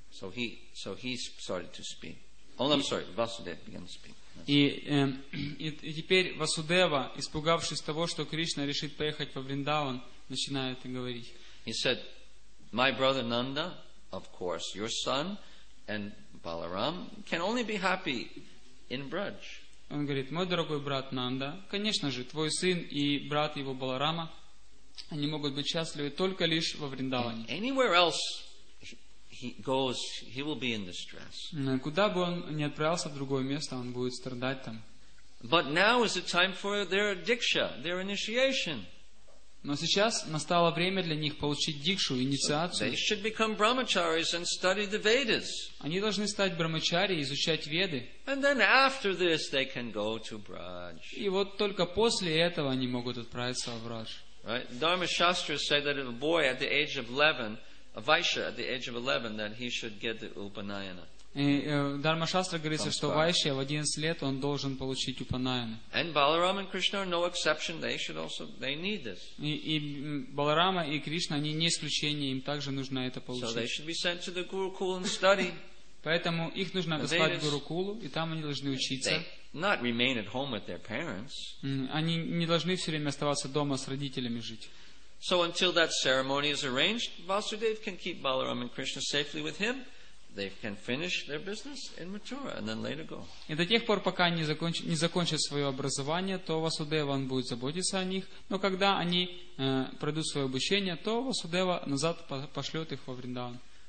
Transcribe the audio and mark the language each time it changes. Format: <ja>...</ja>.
<en>So he started to speak. Oh, I'm sorry, Vasudev began to speak.</en> <ru>И теперь Васудева, испугавшись того, что Кришна решит поехать во Вриндаван, начинает говорить.</ru> <en>He said, my brother Nanda, of course, your son and Balaram can only be happy in Braj.</en> <ru>Он говорит, мой дорогой брат Нанда, конечно же, твой сын и брат его Баларама, они могут быть счастливы только лишь во Вриндаване.</ru> <en>Anywhere else he goes, he will be in distress.</en> <ru>Куда бы он ни отправился в другое место, он будет страдать там.</ru> <en>But now is the time for their diksha, their initiation.</en> <ru>Но сейчас настало время для них получить дикшу, инициацию.</ru> <en>They should become brahmacharis and study the Vedas.</en> <ru>Они должны стать брахмачари и изучать Веды.</ru> <en>And then after this they can go to Braj.</en> <ru>И вот только после этого они могут отправиться в Браж.</ru> <en>Right? Dharma Shastras say that a boy at the age of 11, a Vaishya at the age of 11, that he should get the Upanayana.</en> <ru>И Дарма Шастра говорит, что Вайшья в 11 лет он должен получить Упанаяну.</ru> <en>And Balaram and Krishna are no exception. They should also, they need this.</en> <ru>И Баларама и Кришна, они не исключение, им также нужно это получить.</ru> <en>So they should be sent to the Gurukul and study.</en> <ru>Поэтому их нужно послать в Гурукулу, и там они должны учиться.</ru> <en>They not remain at home with their parents.</en> <ru>Они не должны все время оставаться дома с родителями жить.</ru> <en>So until that ceremony is arranged, Vasudev can keep Balaram and Krishna safely with him. They can finish their business in Mathura and then later go.</en> <ru>И до тех пор, пока они не закончат свое образование, то Васудева он будет заботиться о них. Но когда они пройдут свое обучение, то Васудева назад пошлет их во Вриндаван.</ru>